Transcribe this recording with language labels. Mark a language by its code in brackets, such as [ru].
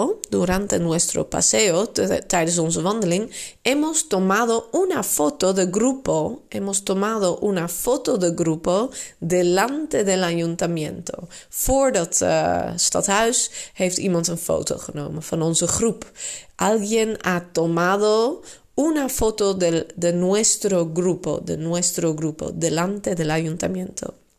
[es] Durante nuestro paseo, [nl] tijdens onze wandeling, [es] hemos tomado una foto de grupo delante del ayuntamiento. [nl] Voor dat stadhuis heeft iemand een foto genomen van onze groep. [es] Alguien ha tomado una foto de nuestro grupo delante del ayuntamiento.